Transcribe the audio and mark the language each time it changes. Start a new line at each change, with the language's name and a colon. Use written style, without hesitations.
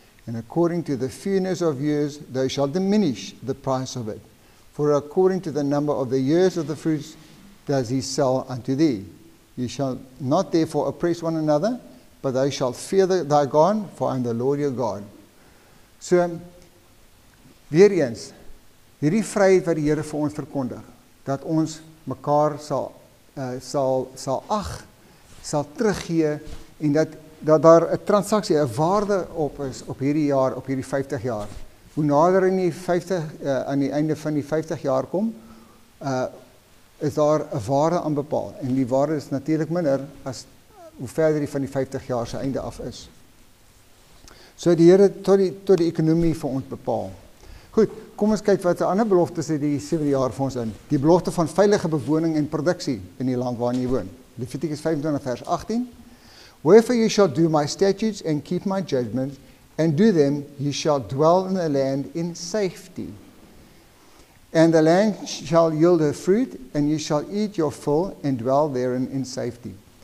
English: And according to the fewness of years, thou shalt diminish the price of it. For according to the number of the years of the fruits, does he sell unto thee. Ye shall not therefore oppress one another, but thou shalt fear thy God, for I am the Lord your God.
Afrikaans: So, weer eens, hierdie vryheid wat die Here vir ons verkondig, dat ons mekaar sal ag, sal teruggee en dat daar 'n transaksie, 'n waarde op is op hierdie jaar, op hierdie 50 jaar. Hoe nader in die 50 aan die einde van die 50 jaar kom, is daar 'n waarde aan bepaal. En die waarde is natuurlik minder as hoe verder die van die 50 jaar se einde af is. So die Here tot die ekonomie vir ons bepaal. Goed, kom ons kyk wat 'n ander belofte sê die 7 jaar vir ons in. Die belofte van veilige bewoning en produksie in die land waarin jy woon. Leviticus 25 vers 18.
English: Wherefore ye shall do my statutes and keep my judgments and do them, ye shall dwell in the land in safety. And the land shall yield her fruit and ye shall eat your fill and dwell therein in safety.